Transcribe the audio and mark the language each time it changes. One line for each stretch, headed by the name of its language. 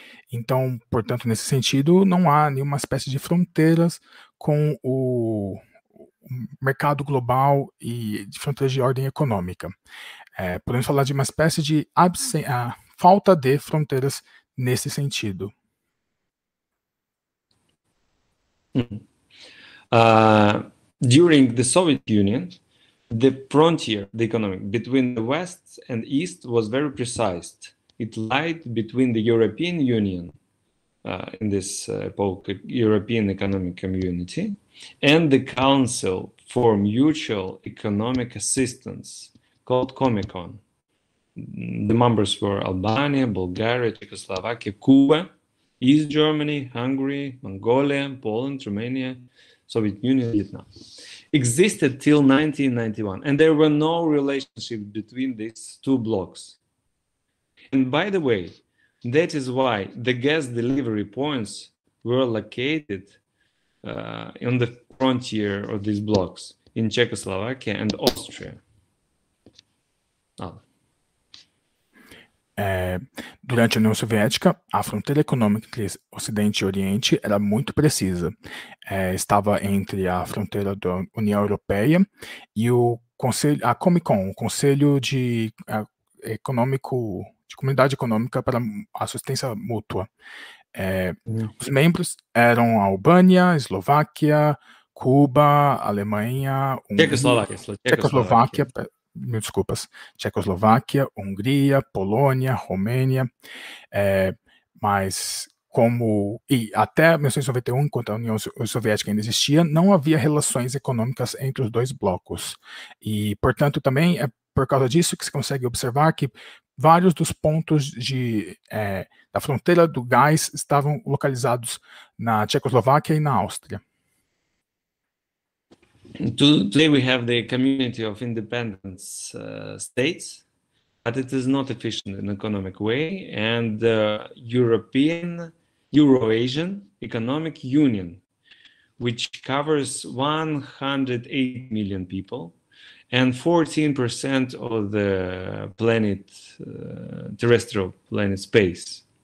Portuguese: Então, portanto, nesse sentido, não há nenhuma espécie de fronteiras com o mercado global e de fronteiras de ordem econômica. Podemos falar de uma espécie de falta de fronteiras nesse sentido.
English: During the Soviet Union, the frontier, the economic, between the West and East was very precise. It lied between the European Union, in this epoch, European Economic Community, and the Council for Mutual Economic Assistance, called Comecon. The members were Albania, Bulgaria, Czechoslovakia, Cuba, East Germany, Hungary, Mongolia, Poland, Romania, Soviet Union, Vietnam. Existed till 1991, and there were no relationships between these two blocks. And by the way, that is why the gas delivery points were located on the frontier of these blocks in Czechoslovakia and Austria.
Portuguese: Durante a União Soviética, a fronteira econômica entre Ocidente e Oriente era muito precisa. Estava entre a fronteira da União Europeia e o Conselho, a Comecon, o Conselho de Econômico, de Comunidade Econômica para Assistência Mútua. Os membros eram a Albânia, Eslováquia, Cuba, Alemanha, Tchecoslováquia. Mil desculpas, Tchecoslováquia, Hungria, Polônia, Romênia, mas como, e até 1991, enquanto a União Soviética ainda existia, não havia relações econômicas entre os dois blocos, e portanto também é por causa disso que se consegue observar que vários dos pontos da fronteira do gás estavam localizados na Tchecoslováquia e na Áustria.
English: Today we have the community of independent states, but it is not efficient in economic way, and the European Euro-Asian Economic Union, which covers 108 million people and 14% of the planet, terrestrial planet space.